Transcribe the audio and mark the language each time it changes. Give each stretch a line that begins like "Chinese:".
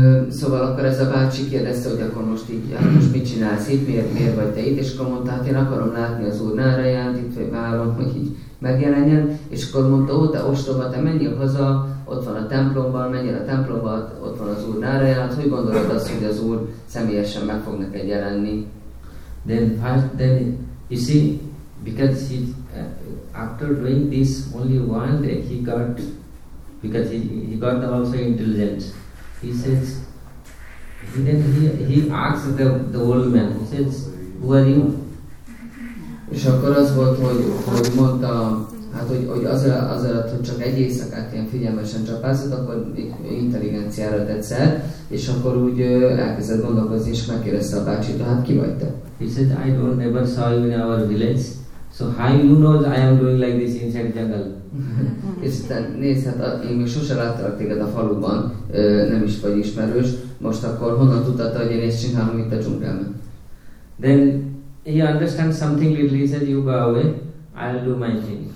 Hungarian: Szóval akkor ez a bácsi kérdezte, hogy akkor most így, hát most mit csinálsz itt, miért vagy te itt, és akkor mondta, hát én akarom látni az Úr Narayant, itt vagy várom, hogy így megjelenjen, és akkor mondta, ó, te ostoba, te menjél haza, ott van a templomban, menjél a templomban, ott van az Úr Narayant, hogy gondolod azt, hogy az Úr személyesen meg fog neked jelenni?
English: Then, you see, because he, after doing this only one day, he got... Because he got the also intelligence. He says, he asks the old man, he says, who are you?
Hungarian: És akkor az volt, hogy mondta, hát hogy azért, hogy csak egy éjszakát ilyen figyelmesen csapászott, akkor intelligenciára tetszett, és akkor úgy elkezdett gondolkozni, és megkérdezte a bácsit, hát ki vagy te?
English: He says, I don't ever saw you in our village. So how you know I am doing like this inside jungle?
Hungarian: És nézd, hát én még sose láttalak téged a faluban, nem is vagy ismerős, most akkor honnan tudtad, hogy én ezt csinálom itt a dzsungelben?
English: Then he understands something little, he said, you go away, I'll do my thing.